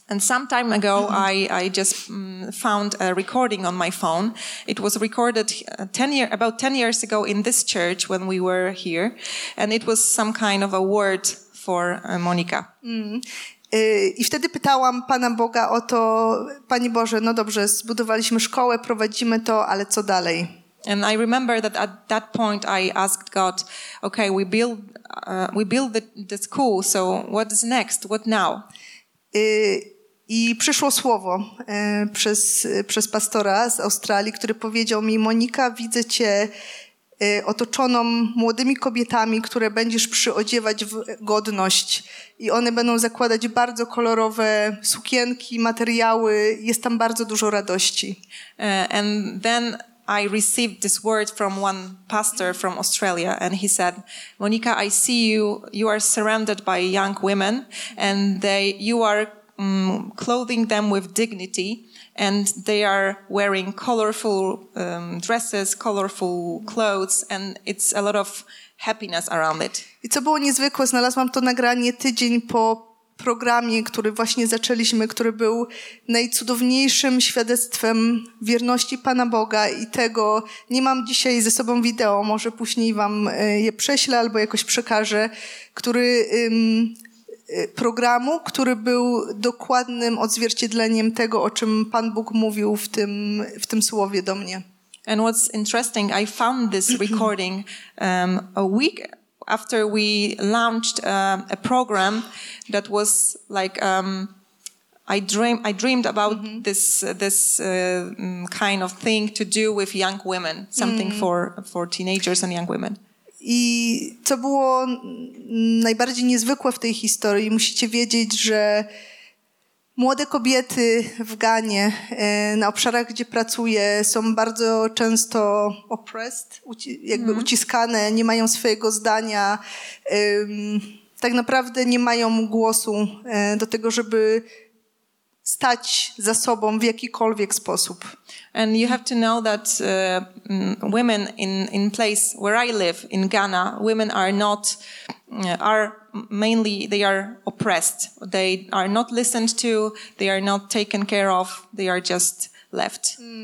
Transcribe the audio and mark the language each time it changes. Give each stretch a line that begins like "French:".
English: And some time ago I just found a recording on my phone. It was recorded about 10 years ago in this church when we were here and it was some kind of a word for Monika.
Polish: I wtedy pytałam Pana Boga o to, Panie Boże, no dobrze, zbudowaliśmy szkołę, prowadzimy to, ale co dalej?
English: And I remember that at that point I asked God, okay, we build the school, so what's next? What now?
Polish: I przyszło słowo przez pastora z Australii, który powiedział mi, Monika, widzę cię otoczoną młodymi kobietami, które będziesz przyodziewać w godność. I one będą zakładać bardzo kolorowe sukienki, materiały. Jest tam bardzo dużo radości.
English: And then I received this word from one pastor from Australia, and he said, Monica, I see you, you are surrounded by young women, and they, you are clothing them with dignity, and they are wearing colorful dresses, colorful clothes, and it's a lot of happiness around it.
Polish: I co było niezwykłe, znalazłam to nagranie tydzień po programie, który właśnie zaczęliśmy, który był najcudowniejszym świadectwem wierności Pana Boga i tego, nie mam dzisiaj ze sobą wideo, może później wam je prześlę albo jakoś przekażę, który programu, który był dokładnym odzwierciedleniem tego, o czym Pan Bóg mówił w tym słowie do mnie.
English: And what's interesting, I found this recording a week after we launched a program that was like I dreamed about mm-hmm. this kind of thing to do with young women, something for teenagers and young women.
Polish: I co było najbardziej niezwykłe w tej historii, musicie wiedzieć, że młode kobiety w Ganie, na obszarach, gdzie pracuję, są bardzo często oppressed, jakby uciskane, nie mają swojego zdania, tak naprawdę nie mają głosu do tego, żeby stać za sobą w jakikolwiek sposób.
English: And you have to know that women in place where I live in Ghana, women are not are mainly they are oppressed. They are not listened to, they are not taken care of, they are just left.